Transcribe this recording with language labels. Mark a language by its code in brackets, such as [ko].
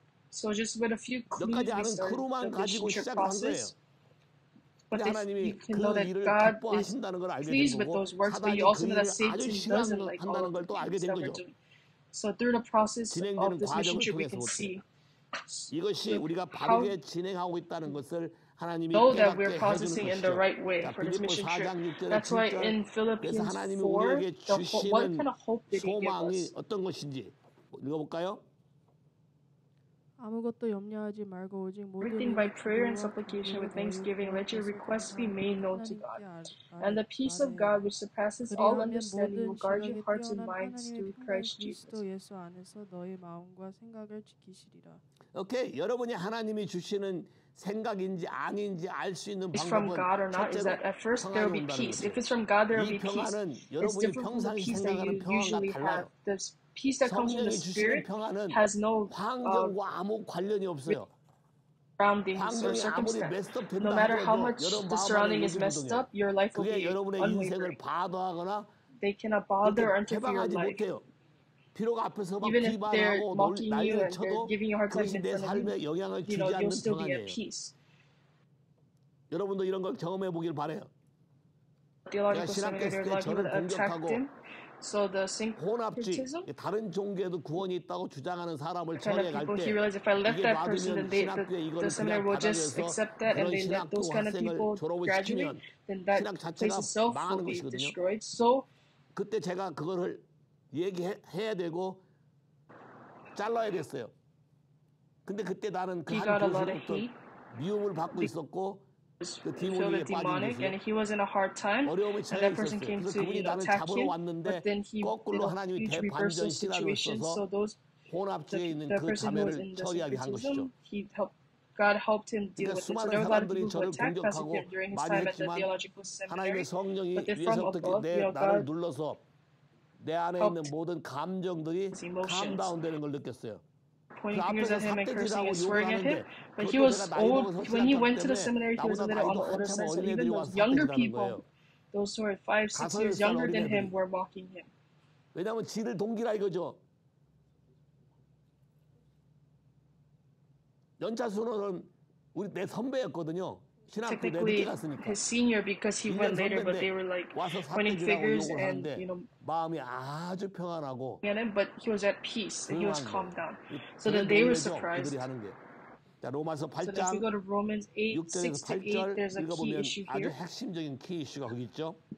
[en] So just with a few clues, he started the mission trip process. But this, you can know that God is pleased with those works, but you also know that Satan doesn't like all of the things that we're doing. So through the process of this mission trip, we can see [ko] 이것이 우리가 바르게 진행하고 있다는 것을 하나님이 [en] know that we're processing in the right way for this mission trip. That's why in Philippians 4, what kind of hope did he give us? [ko] 어떤 것인지 읽어볼까요? 아무것도 염려하지 말고 오직 [en] everything by prayer and supplication with thanksgiving, let your requests be made known to God. And the peace of God, which surpasses all understanding, will guard your hearts and minds through Christ Jesus. [ko] Okay, 여러분이 하나님이 주시는 생각인지 아닌지 알 수 있는 방법은 [en] from God or not, [ko] 첫째로 [en] is that at first there will be peace. If it's from God, there will be peace. It's different from the peace that you usually have. The peace that comes from the Spirit has no surroundings or circumstances. No matter how much the surrounding is messed up, your life will be unwavering. They cannot bother or interfere with your life. Even if they're mocking you and they're giving you a hard time, it's going to be, you'll still be at peace. [ko] 여러분도 이런 걸 경험해 보길 바래요. [en] Theological seminary, like you would attract him. So the [ko] syncretism, 다른 종교에도 구원이 있다고 주장하는 사람을 처리할 때, [en] people, he realized if I left that person, then the seminary will just accept that, and then let those kind of people graduate, then that place itself will be destroyed. So, [ko] 그때 제가 그거를 얘기해야 되고 잘라야 됐어요. 근데 그때 나는 그 한 교수로부터 미움을 받고 있었고 그 디몬에 빠진 거예요. 어려움이 처해 있었어요. 그분이 나를 잡으러 왔는데 거꾸로 하나님이 대반전 시나리오를 써서 혼합주에 있는 그 자매를 처리하게 한 것이죠. [en] God helped him deal with it. So there were a lot of people who attacked us during his time at the theological seminary. But they're from above. You know, [ko] 나를 눌러서 내 안에 [en] helped. [ko] 있는 모든 감정들이 감다운되는 걸 느꼈어요. [en] Pointing fingers at him and cursing and swearing at him. But he was old. When he went to the seminary, he was a little on the older side. So even those younger people, those who are 5-6 years younger than him, were mocking him. [ko] 왜냐하면 지를 동기라 이거죠. 연차순으로는 우리 내 선배였거든요. [en] Technically, his senior because he went later, but they were like pointing fingers and, you know, [ko] 마음이 아주 평안하고. [en] But he was at peace and he was calmed down. So then they were surprised. So then if you go to Romans 6-8, there's a key issue here.